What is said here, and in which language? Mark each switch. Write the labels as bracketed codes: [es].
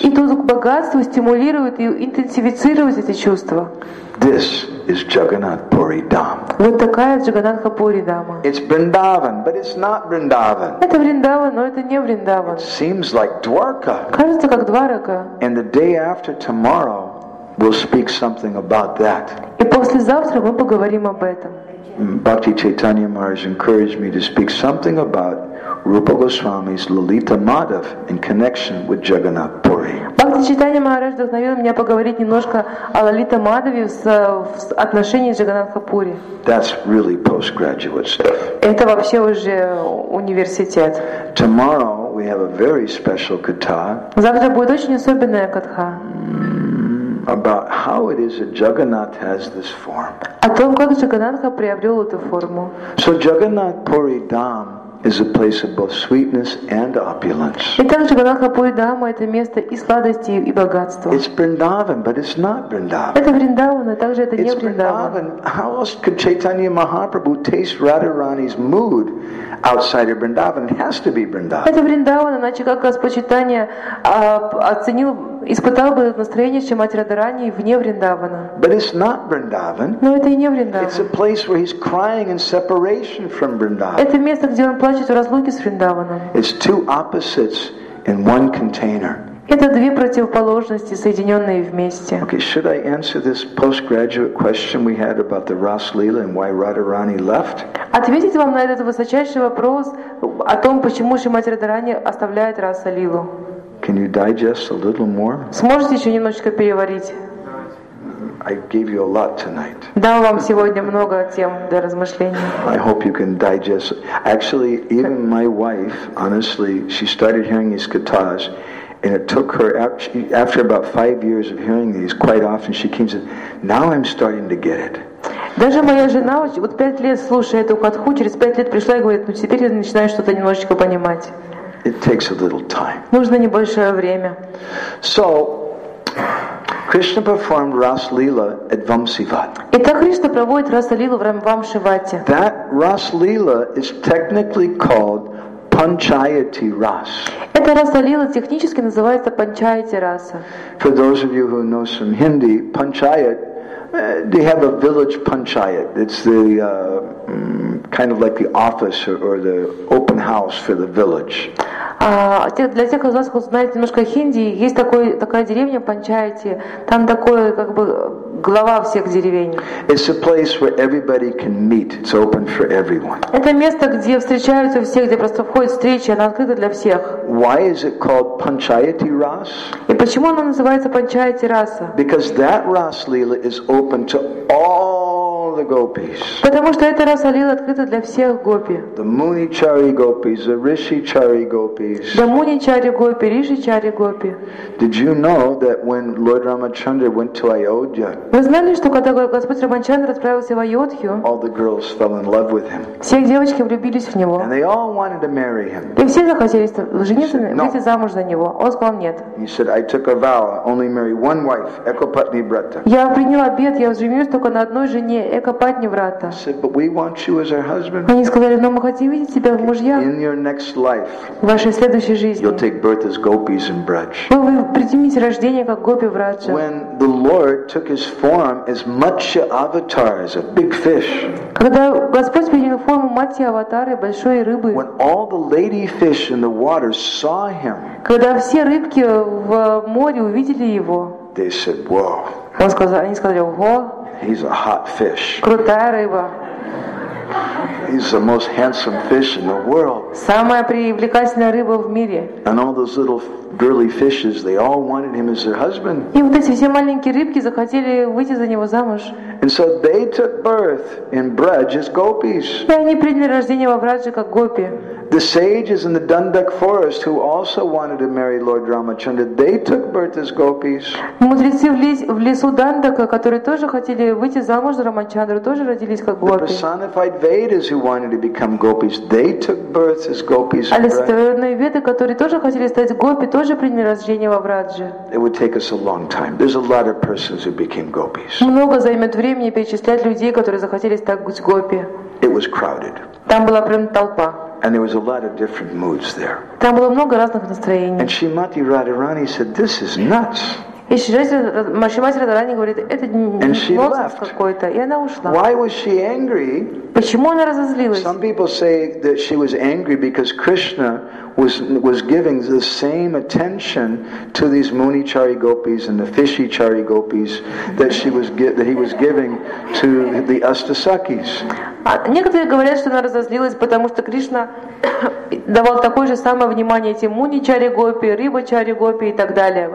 [ru] И тут богатство стимулирует и интенсифицирует эти чувства. [en] This is Jagannath Puri Dham. [ru] Вот такая Джаганнатха Пури Дама. [en] It's Vrindavan, but it's not Vrindavan. [ru] Это Вриндаван, но это не Вриндаван. [en] It seems like Dwarka. [ru] Кажется, как Дварака. [en] And the day after tomorrow, we'll speak something about that. [ru] И послезавтра мы поговорим об этом. [en] Bhakti Chaitanya Maharaj encouraged me to speak something about Rupa Goswami's Lalita Madhav in connection with Jagannath Puri. [ru] Bhakti Chaitanya Maharaj вдохновил меня поговорить немножко о Лалита Мадхаве в отношении Джаганнатха Пури. [en] That's really postgraduate stuff. [ru] Это вообще уже университет. [en] Tomorrow we have a very special katha. [ru] Завтра будет очень особенная катха. [en] About how it is that Jagannath has this form. [ru] О том, как Джаганнатха приобрел эту форму. [en] So Jagannath Puri Dham is a place of both sweetness and opulence. [ru] Итак, Джаганнатха Пури Дхама это место и сладости и богатства. [en] It's Vrindavan, but it's not Vrindavan. [ru] Это Вриндаван, но также это не [en] Вриндаван. It's Vrindavan. How else could Chaitanya Mahaprabhu taste Radharani's mood outside of Vrindavan? It has to be Vrindavan. [ru] Это Вриндаван, иначе как Господь Чайтанья оценил, испытал бы настроение, чем мать Радхарани вне Вриндавана. [en] But it's not Vrindavan. [ru] Но это и не Вриндаван. [en] It's a place where he's crying in separation from Vrindavan. [ru] Это место, где он плачет в разлуке с Вриндаваном. [en] It's two opposites in one container. [ru] Это две противоположности, соединенные вместе. [en] Okay, should I answer this postgraduate question we had about the Ras Lila and why Radharani left? [ru] Ответить вам на этот высочайший вопрос о том, почему Шримати Радхарани оставляет Раса Лилу? [en] Can you digest a little more? [ru] Сможете еще немножечко переварить? [en] I gave you a lot tonight. [ru] Дал вам сегодня много тем для размышлений. [en] I hope you can digest. Actually, even my wife, honestly, she started hearing these katas. And it took her, after about 5 years of hearing these, quite often she came and said, now I'm starting to get it. [ru] Даже моя жена, вот 5 лет слушая эту катху, через 5 лет пришла и говорит, ну теперь я начинаю что-то немножечко понимать. [en] It takes a little time. [ru] Нужно небольшое время. [en] So, Krishna performed Rasa-lila at Vamsivat. [ru] Итак, Кришна проводит Раса-лилу в Вамшивате. [en] That Rasa-lila is technically called Panchayati Ras. [ru] Эта Раса-лила технически называется Панчаяти Раса. [en] For those of you who know some Hindi, Panchayat, they have a village panchayat. It's the kind of like the office or the open house for the village. [ru] Для тех из вас, кто знает немножко хинди, есть такая деревня панчаяти. Там такое как бы глава всех деревень. [en] It's a place where everybody can meet. It's open for everyone. [ru] Это место, где встречаются все, где просто входят встречи, она открыта для всех. [en] Why is it called Panchayati Ras? [ru] И почему она называется Панчаяти Раса? [en] Because that Ras Lila is open to all the gopis. [ru] Потому что эта Раса Лила открыта для всех гопи. [en] The Munichari gopis, the Rishichari gopis. The Munichari gopi, Rishichari gopi. Did you know that when Lord Ramachandra went to Ayodhya? [ru] Вы знали, что когда Господь Рамачандра отправился в Айодхью? [en] All the girls fell in love with him. [ru] Все девочки влюбились в него. [en] And they all wanted to marry him. [ru] И все захотели жениться, выйти замуж за него. Он сказал нет. [en] He said, I took a vow, only marry one wife, Ekapatni Vrata. [ru] Я принял обет, я женюсь только на одной жене, Экапатни Врата. [en] He said, but we want you as our husband. [ru] Они сказали, но мы хотим видеть тебя в мужья. [en] In your next life. [ru] В вашей следующей жизни. [en] You'll take birth as gopis in Braj. [ru] Вы примете рождение как гопи в Радже. [en] When the Lord took his form as Matsya Avatar, as a big fish. [ru] Когда Господь принял форму Матсья Аватары, большой рыбы. [en] When all the lady fish in the water saw him. [ru] Когда все рыбки в море увидели его. [en] They said, "Whoa." [ru] Они сказали, ого. [en] He's a hot fish. [ru] Крутая рыба. [en] He's the most handsome fish in the world. [ru] Самая привлекательная рыба в мире. [en] And all those little girly fishes, they all wanted him as their husband. [ru] И вот эти все маленькие рыбки захотели выйти за него замуж. [en] And so they took birth in Braj as gopis. [ru] И они приняли рождение во Врадже как гопи. [en] the sages in the Dandak forest who also wanted to marry Lord Ramachandra, they took birth as gopis. [ru] Мудрецы в лесу Дандака, которые тоже хотели выйти замуж за Рамачандру, тоже родились как гопи. [en] The personified Vedas who wanted to become gopis, they took birth as gopis. [ru] Олицетворенные Веды, которые тоже хотели стать гопи, тоже приняли рождение во Врадже. [en] It would take us a long time. There's a lot of persons who became gopis. [ru] Много займет времени перечислять людей, которые захотели стать гопи. [en] It was crowded. [ru] Там была прям толпа. [en] And there was a lot of different moods there. [ru] Там было много разных настроений. [en] And Shrimati Radharani said, "This is nuts." [ru] И Шримати Радхарани говорит, это нонсенс какой-то. И она ушла. [en] Why was she angry? [ru] Почему она разозлилась? [en] Some people say that she was angry because Krishna was giving the same attention to these Munichari gopis and the Fishichari gopis that he was giving to the Astasakis. [ru] Некоторые говорят, что она разозлилась, потому что Кришна давал такое же самое внимание этим Муничари гопи, Рибачари гопи и так далее.